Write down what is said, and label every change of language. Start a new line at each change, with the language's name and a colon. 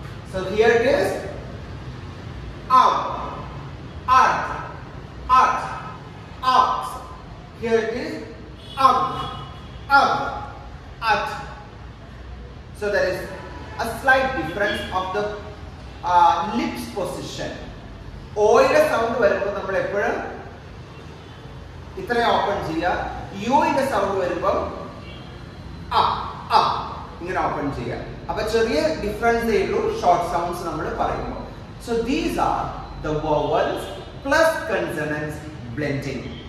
English: So here it is out, art, art, out. Here it is out, out, art. So there is a slight difference of the lips position.
Malayalam: O-ന്റെ sound വരുമ്പോൾ നമ്മൾ എപ്പോഴും ഇത്രയും open ചെയ്യുക. യു-ന്റെ sound വരുമ്പോൾ up up ഇങ്ങനെ open ചെയ്യുക. അപ്പൊ ചെറിയ ഡിഫറൻസ് ഉള്ളൂ ഷോർട്ട് സൗണ്ട്സ് നമ്മൾ പറയുമ്പോൾ.
English: So these are the vowels plus consonants blending.